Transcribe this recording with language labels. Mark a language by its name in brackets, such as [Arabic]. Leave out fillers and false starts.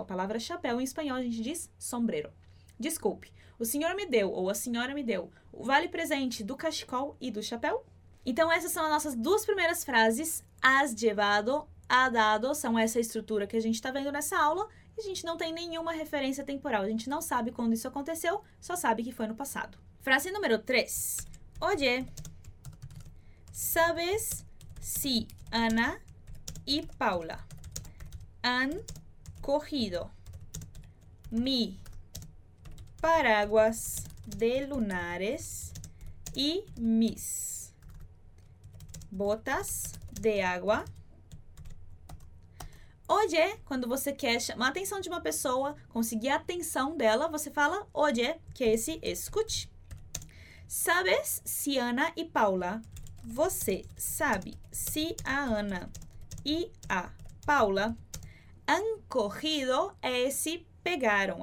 [Portuguese] A palavra chapéu em espanhol a gente diz sombrero. Desculpe, o senhor me deu ou a senhora me deu o vale presente do cachecol e do chapéu? Então essas são as nossas duas primeiras frases. Has llevado, ha dado, são essa estrutura que a gente está vendo nessa aula e a gente não tem nenhuma referência temporal. A gente não sabe quando isso aconteceu, só sabe que foi no passado. Frase número 3. [Spanish] Oye, sabes si Ana y Paula han cogido mi paraguas de lunares y mis botas de agua. [Portuguese] Oye, quando você quer chamar a atenção de uma pessoa, conseguir a atenção dela, você fala oye, que é esse escute. [Spanish] Sabes si Ana y Paula. [Portuguese] Você sabe se a Ana e a Paula [Spanish] han cogido [Portuguese] é esse pegaram.